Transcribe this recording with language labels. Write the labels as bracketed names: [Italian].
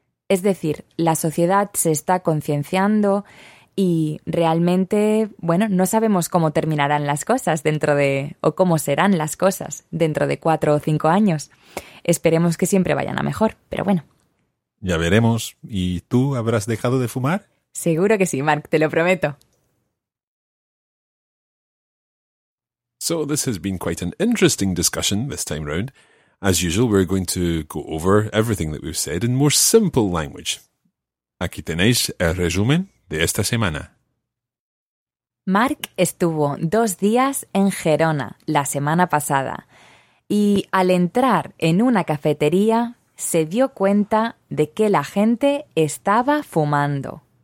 [Spanish] Es decir, la sociedad se está concienciando y realmente, bueno, no sabemos cómo terminarán las cosas dentro de, o cómo serán las cosas dentro de 4 o 5 años. Esperemos que siempre vayan a mejor, pero bueno. Ya veremos. ¿Y tú habrás dejado de fumar? Seguro que sí, Mark, te lo prometo. [English] So this has been quite an interesting discussion this time round. As usual, we're going to go over everything that we've said in more simple language. [Spanish] Aquí tenéis el resumen de esta semana. Mark estuvo 2 días en Gerona la semana pasada. Y al entrar en una cafetería, se dio cuenta de que la gente estaba fumando.